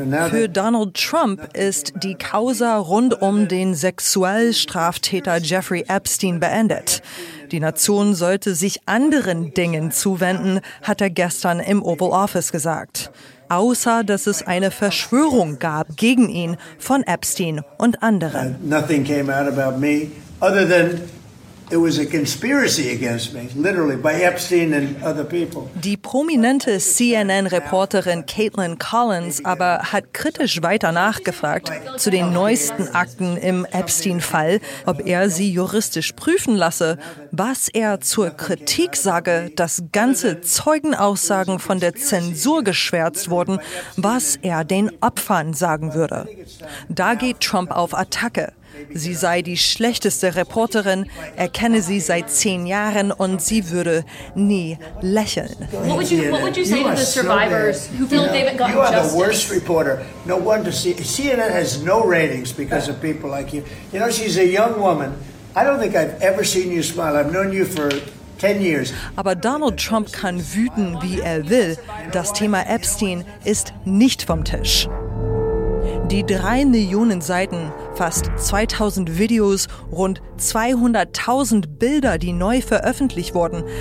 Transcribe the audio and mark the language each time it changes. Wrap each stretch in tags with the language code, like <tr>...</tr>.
<de>Für Donald Trump ist die Causa rund um den Sexualstraftäter Jeffrey Epstein beendet. Die Nation sollte sich anderen Dingen zuwenden, hat er gestern im Oval Office gesagt. Außer, dass es eine Verschwörung gab gegen ihn von Epstein und anderen.</de> <en>Nothing came out about me, other than it was a conspiracy against me, literally by Epstein and other people.</en> <de>Die prominente CNN-Reporterin Caitlin Collins aber hat kritisch weiter nachgefragt zu den neuesten Akten im Epstein-Fall, ob er sie juristisch prüfen lasse. Was er zur Kritik sage, dass ganze Zeugenaussagen von der Zensur geschwärzt wurden, was er den Opfern sagen würde. Da geht Trump auf Attacke. Sie sei die schlechteste Reporterin, er kenne sie seit 10 Jahren und sie würde nie lächeln.</de> <en>What would you say to the survivors who feel they haven't gotten justice? You are the worst reporter. No wonder CNN has no ratings because of people like you. You know, she's a young woman. I don't think I've ever seen you smile. I've known you for 10 years.</en> <de>Aber Donald Trump kann wüten, wie er will. Das Thema Epstein ist nicht vom Tisch. Die 3 Millionen Seiten, fast 2000 Videos, rund 200.000 Bilder, die neu veröffentlicht wurden.</de>